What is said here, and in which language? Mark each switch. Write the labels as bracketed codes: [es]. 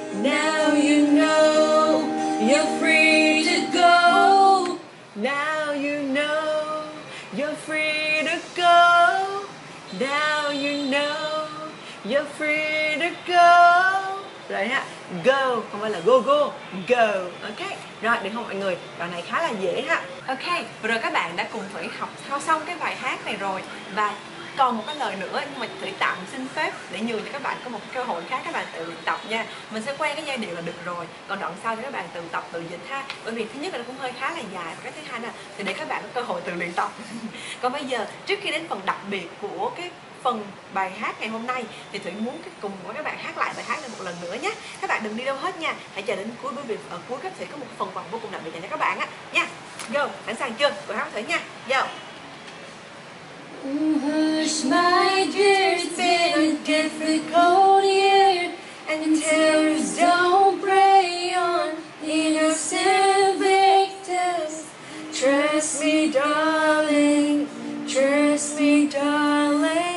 [en] Now you know, you're free to go. Now you know, you're free to go. Now you know, you're free. Go. [vi] Rồi ha. [en] Go, không phải là go go. Go. Ok. [vi] Rồi, được không mọi người? Đoạn này khá là dễ ha. Ok. Rồi các bạn đã cùng Thủy học xong cái bài hát này rồi. Và Còn một cái lời nữa, nhưng mà Thủy tạm xin phép để nhường cho các bạn có một cơ hội khác, các bạn tự luyện tập nha. Mình sẽ quen cái giai điệu là được rồi, còn đoạn sau thì các bạn tự tập tự dịch ha. Bởi vì thứ nhất là nó cũng hơi khá là dài, và cái thứ hai là thì để các bạn có cơ hội tự luyện tập. Còn bây giờ, trước khi đến phần đặc biệt của cái phần bài hát ngày hôm nay, thì Thủy muốn cùng với các bạn hát lại bài hát này một lần nữa nhé. Các bạn đừng đi đâu hết nha, hãy chờ đến cuối, bởi vì ở cuối các sẽ có một phần quà vô cùng đặc biệt dành cho các bạn á nha. [en] Go, [vi] sẵn sàng chưa? Cùng hát Thủy nha. Go. [en] Ooh, hush, my dear, it's been a difficult year, and tears don't prey on innocent victims. Trust me, darling, trust me, darling.